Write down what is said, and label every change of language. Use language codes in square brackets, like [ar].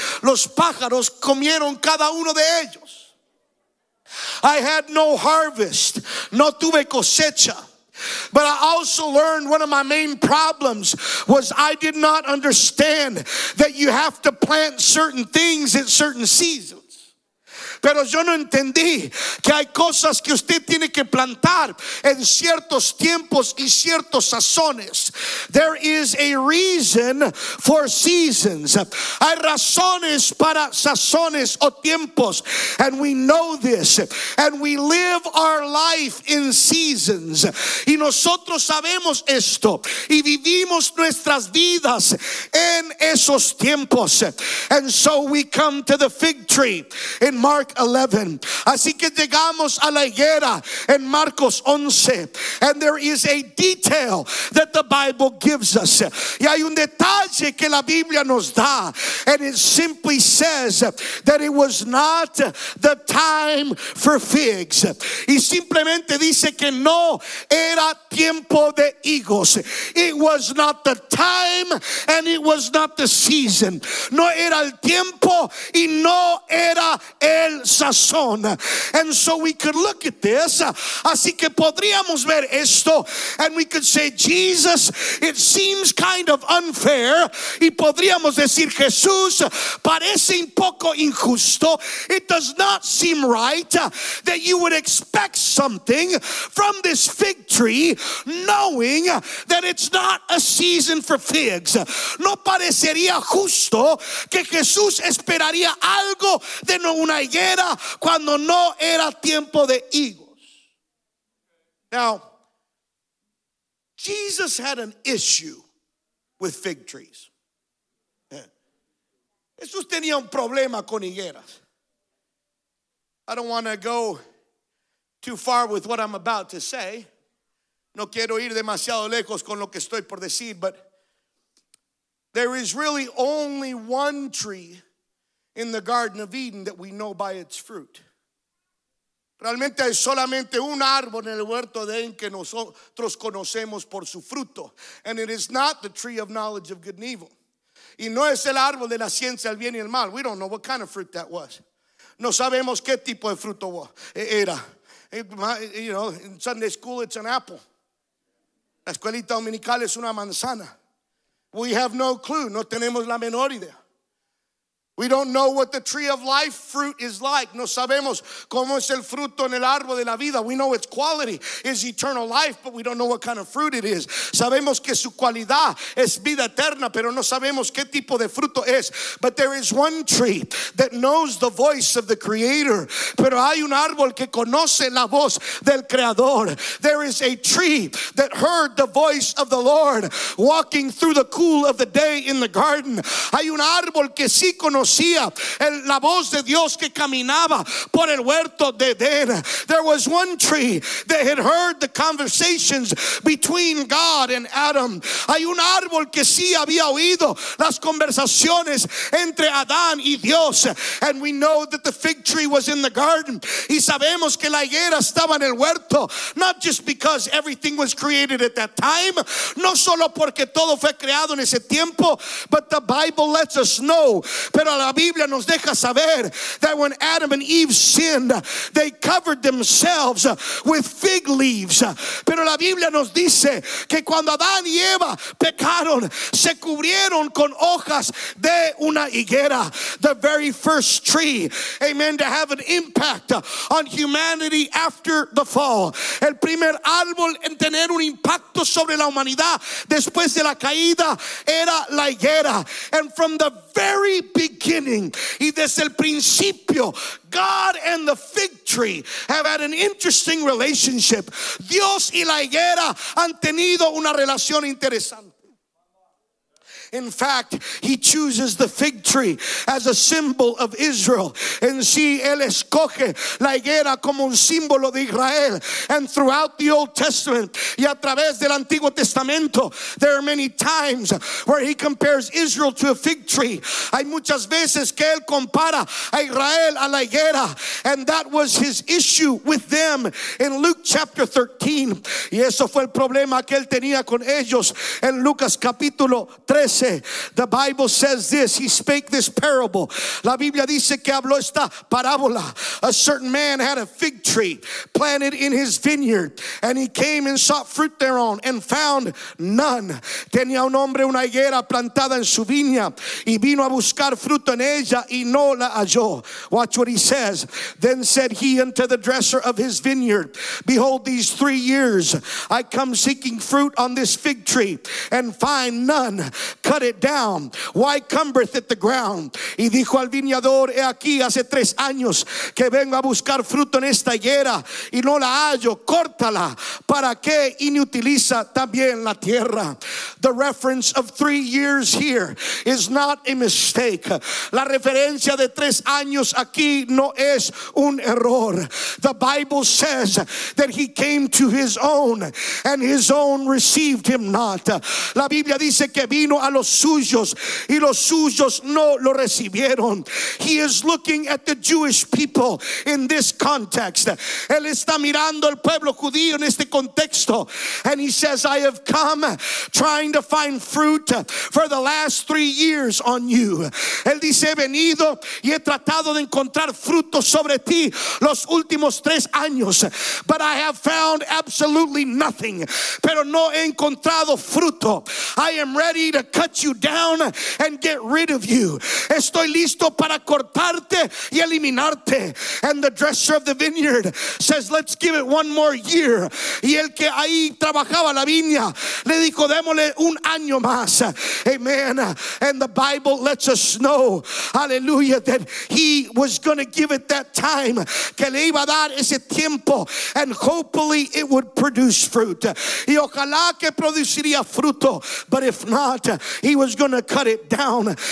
[es] Los pájaros comieron cada uno de ellos. [en] I had no harvest. [es] No tuve cosecha. [en] But I also learned one of my main problems was I did not understand that you have to plant certain things in certain seasons. [es] Pero yo no entendí que hay cosas que usted tiene que plantar en ciertos tiempos y ciertos sazones. [en] There is a reason for seasons. [es] Hay razones para sazones o tiempos. [en] And we know this. And we live our life in seasons. [es] Y nosotros sabemos esto. Y vivimos nuestras vidas en esos tiempos. [en] And so we come to the fig tree in Mark 11. [es] Así que llegamos a la higuera en Marcos 11. [en] And there is a detail that the Bible gives us. [es] Y hay un detalle que la Biblia nos da. [en] And it simply says that it was not the time for figs. [es] Y simplemente dice que no era tiempo de higos. [en] It was not the time and it was not the season. [es] No era el tiempo y no era el sazón. [en] And so we could look at this. [es] Así que podríamos ver esto. [en] And we could say, Jesus, it seems kind of unfair. [es] Y podríamos decir, Jesús, parece un poco injusto. [en] It does not seem right that you would expect something from this fig tree, knowing that it's not a season for figs. [es] No parecería justo que Jesús esperaría algo de una higuera cuando no era tiempo de higos. [en] Now, Jesus had an issue with fig trees. [es] Jesús tenía un problema con higueras. [en] I don't want to go too far with what I'm about to say. [es] No quiero ir demasiado lejos con lo que estoy por decir, [en] but there is really only one tree in the Garden of Eden that we know by its fruit. [es] Realmente hay solamente un árbol en el huerto de Edén que nosotros conocemos por su fruto. [en] And it is not the tree of knowledge of good and evil. [es] Y no es el árbol de la ciencia del bien y el mal. [en] We don't know what kind of fruit that was. [es] No sabemos qué tipo de fruto era. [en] You know, in Sunday school it's an apple. [es] La escuelita dominical es una manzana. [en] We have no clue. [es] No tenemos la menor idea. [en] We don't know what the tree of life fruit is like. [es] No sabemos cómo es el fruto en el árbol de la vida. [en] We know its quality is eternal life, but we don't know what kind of fruit it is. [es] Sabemos que su cualidad es vida eterna, pero no sabemos qué tipo de fruto es. [en] But there is one tree that knows the voice of the Creator. [es] Pero hay un árbol que conoce la voz del Creador. [en] There is a tree that heard the voice of the Lord walking through the cool of the day in the garden. [es] Hay un árbol que sí conoce la voz de Dios que caminaba por el huerto de Edén. [en] There was one tree that had heard the conversations between God and Adam. [es] Hay un árbol que sí había oído las conversaciones entre Adán y Dios. [en] And we know that the fig tree was in the garden. [es] Y sabemos que la higuera estaba en el huerto. [en] Not just because everything was created at that time. [es] No solo porque todo fue creado en ese tiempo. [en] But the Bible lets us know. [es] Pero la Biblia nos deja saber [en] that when Adam and Eve sinned, they covered themselves with fig leaves. [es] Pero la Biblia nos dice que cuando Adán y Eva pecaron, se cubrieron con hojas de una higuera, [en] the very first tree, amen, to have an impact on humanity after the fall. [es] El primer árbol en tener un impacto sobre la humanidad después de la caída era la higuera. [en] And from the very beginning, [es] y desde el principio, [en] God and the fig tree have had an interesting relationship. [es] Dios y la higuera han tenido una relación interesante. [en] In fact, he chooses the fig tree as a symbol of Israel. [es] En sí, él escoge la higuera como un símbolo de Israel. [en] And throughout the Old Testament, [es] y a través del Antiguo Testamento, [en] there are many times where he compares Israel to a fig tree. [es] Hay muchas veces que él compara a Israel a la higuera. [en] And that was his issue with them in Luke chapter 13. [es] Y eso fue el problema que él tenía con ellos en Lucas capítulo 13. [en] The Bible says this. He spake this parable. [es] La Biblia dice que habló esta parábola. [en] A certain man had a fig tree planted in his vineyard, and he came and sought fruit thereon and found none. [es] Tenía un hombre una higuera plantada en su viña, y vino a buscar fruto en ella y no la halló. [en] Watch what he says. Then said he unto the dresser of his vineyard, behold, these 3 years I come seeking fruit on this fig tree and find none. Cut it down. Why cumbereth it the ground? [es] Y dijo al viñador, he aquí hace 3 años que vengo a buscar fruto en esta higuera y no la hallo. Córtala. ¿Para qué inutiliza también la tierra? [en] The reference of 3 years here is not a mistake. [es] La referencia de 3 años aquí no es un error. [en] The Bible says that he came to his own and his own received him not. [es] La Biblia dice que vino a los los suyos y los suyos no lo recibieron. [en] He is looking at the Jewish people in this context. [es] Él está mirando al pueblo judío en este contexto. [en] And he says, I have come trying to find fruit for the last 3 years on you. [es] Él dice, he venido y he tratado de encontrar fruto sobre ti los últimos 3 años. [en] But I have found absolutely nothing. [es] Pero no he encontrado fruto. [en] I am ready to cut you down and get rid of you. [es] Estoy listo para cortarte y eliminarte. [en] And the dresser of the vineyard says, let's give it one more year. [es] Y el que ahí trabajaba la viña le dijo, démosle un año más. [en] Amen. And the Bible lets us know, hallelujah, that he was going to give it that time. [es] Que le iba a dar ese tiempo. [en] And hopefully it would produce fruit. [es] Y ojalá que produciría fruto. [en] But if not, he was going to cut it down.